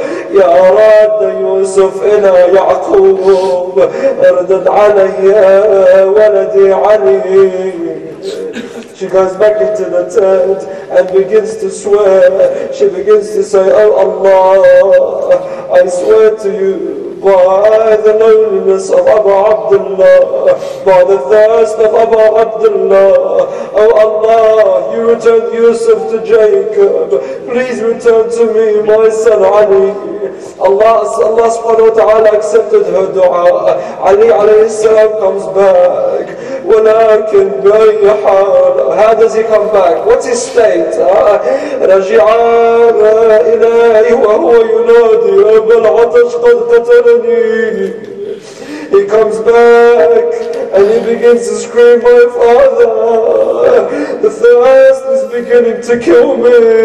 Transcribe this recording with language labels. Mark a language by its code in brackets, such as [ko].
[ar] يا راد يوسف إلى يعقوب اردد علي ولدي علي. [en] She goes back into the tent and begins to swear. She begins to say, oh Allah, I swear to you by the loneliness of Abu Abdullah, by the thirst of Abu Abdullah, oh Allah, you returned Yusuf to Jacob, please return to me my son Ali. Allah subhanahu wa ta'ala accepted her dua. Ali alayhi salam comes back. [ar] ولكن بأي حال. [en] How does he come back? What's his state? [ar] رجع إلي وهو ينادي أبا العطش قد قتلني. [en] He comes back and he begins to scream, my father, the thirst is beginning to kill me.